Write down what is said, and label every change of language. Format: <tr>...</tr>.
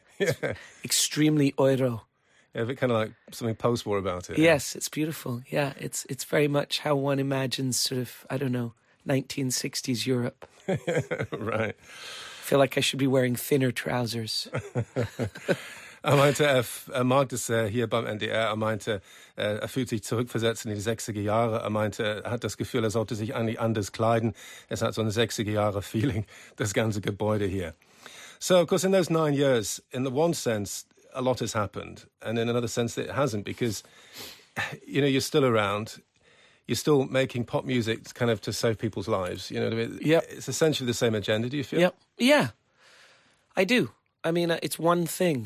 <en>Yeah. It's extremely euro. Yeah, a bit kind of like something post-war about it. Yes, yeah. It's beautiful. Yeah, it's very much how one imagines sort of, I don't know, 1960s Europe. Right. I feel like I should be wearing thinner trousers.</en> <de>Er meinte, er mag das hier beim NDR. Er meinte, er fühlt sich zurückversetzt in die 60er Jahre. Er meinte, er hat das Gefühl, er sollte sich eigentlich anders kleiden. Es hat so ein 60er Jahre Feeling, das ganze Gebäude hier.</de> <en>So, of course, in those 9 years, in the one sense, a lot has happened. And in another sense, it hasn't, because, you know, you're still around. You're still making pop music kind of to save people's lives, you know what I mean? Yeah. It's essentially the same agenda, do you feel? Yeah. Yeah, I do. I mean, it's one thing.</en>